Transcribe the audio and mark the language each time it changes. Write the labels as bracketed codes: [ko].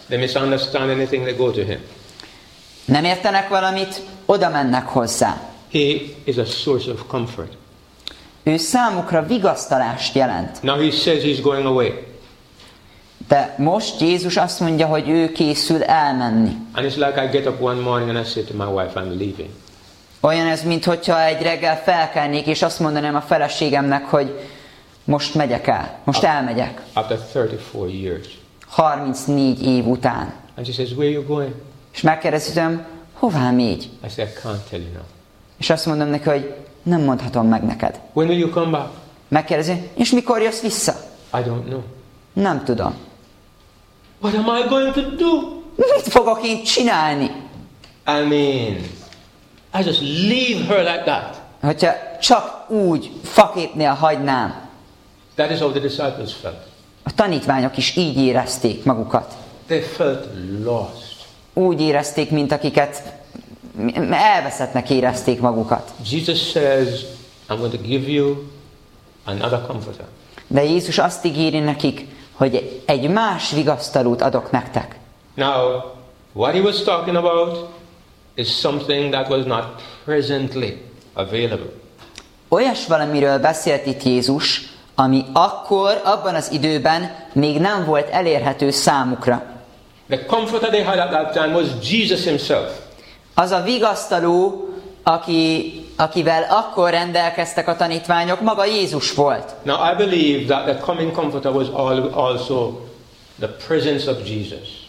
[en] They misunderstand anything, they go to him. [hu] Nem értenek valamit, oda mennek hozzá. [en] He is a source of comfort. [hu] Ő számukra vigasztalást jelent. [en] Now he says he's going away. [hu] De most Jézus azt mondja, hogy ő készül elmenni. [en] And it's like I get up one morning and I say to my wife, I'm leaving. [hu] Olyan ez, mintha egy reggel felkelnék, és azt mondanám a feleségemnek, hogy most megyek el, most elmegyek. [en] After 34 years. [hu] 34 év után. [en] And she says, where are you going? [hu] És megkérdezem, hová mégy? [en] I say, I can't tell you now. [hu] És azt mondom neki, hogy nem mondhatom meg neked. [en] When will you come back? [hu] Megkérdezi, és mikor jössz vissza? [en] I don't know. [hu] Nem tudom. [en] What am I going to do? [hu] Mit fogok én csinálni? [en] I mean, I just leave her like that. [hu] Hogyha csak úgy faképnél hagynám. [en] That is how the disciples felt. [hu] A tanítványok is így érezték magukat. [en] They felt lost. [hu] Úgy érezték, mint akiket elveszettnek érezték magukat. [en] Jesus says, I'm going to give you another comforter. [hu] De Jézus azt ígéri nekik, hogy egy más vigasztalót adok nektek. [en] Now, what he was talking about is something that was not presently available. [hu] Olyas valamiről beszélt itt Jézus, ami akkor, abban az időben még nem volt elérhető számukra. [en] The comforter they had at that time was Jesus himself. [hu] Az a vigasztaló, aki akivel akkor rendelkeztek a tanítványok, maga Jézus volt. [en] Now I believe that the coming comforter was also the presence of Jesus.